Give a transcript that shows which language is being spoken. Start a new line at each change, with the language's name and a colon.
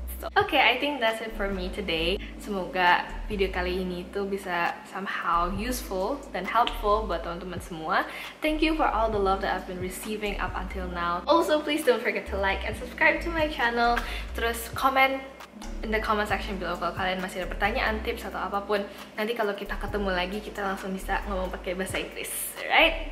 English: So, okay, I think that's it for me today.
Indonesian: Semoga video kali ini tuh bisa somehow useful dan helpful buat teman-teman semua.
English: Thank you for all the love that I've been receiving up until now. Also, please don't forget to like and subscribe to my channel.
Indonesian: Terus comment
English: in the comment section below
Indonesian: kalau kalian masih ada pertanyaan, tips atau apapun. Nanti kalau kita ketemu lagi, kita langsung bisa ngomong pakai bahasa Inggris, right?